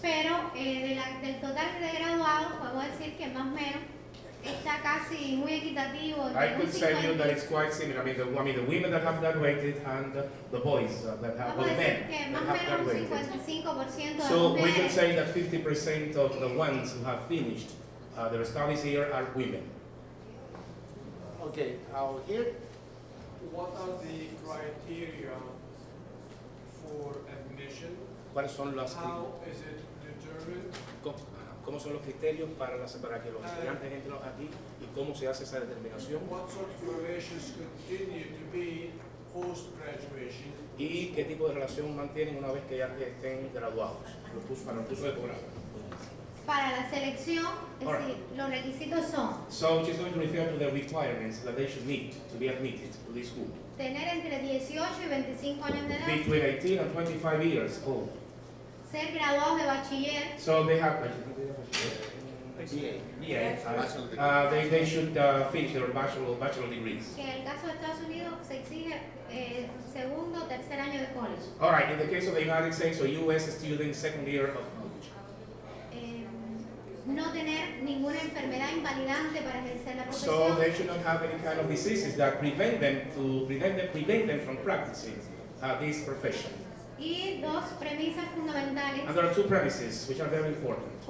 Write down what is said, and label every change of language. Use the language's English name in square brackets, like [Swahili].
[Spanish] Pero del total de graduados puedo decir que más o menos está casi muy equitativo. [English] I could say you that it's quite similar. I mean the women that have graduated and the boys that have, well, the men that have graduated. So we can say that 50% of the ones who have finished their studies here are women. Okay, how here? What are the criteria for admission? [Spanish] ¿Cuáles son las? [English] How is it determined? [Spanish] ¿Cómo son los criterios para que los estudiantes entren aquí y cómo se hace esa determinación? [English] What sort of relations continue to be post-graduation? [Spanish] ¿Y qué tipo de relación mantienen una vez que ya estén graduados? Lo puso para el curso de programa. Para la selección, los requisitos son. [English] So she's going to refer to the requirements that they should meet to be admitted to this school. [Spanish] Tener entre 18 y 25 años de edad. [English] Between 18 and 25 years old. [Spanish] Ser graduado de bachiller. [English] So they have they should finish their bachelor degrees. [Spanish] Que en el caso de Estados Unidos se exige segundo, tercer año de college. [English] All right, in the case of the United States, so U.S. student second year of college. [Spanish] No tener ninguna enfermedad invalidante para ejercer la profesión. [English] So they should not have any kind of diseases that prevent them from practicing this profession. [Spanish] Y dos premisas fundamentales. [English] And there are two premises which are very important.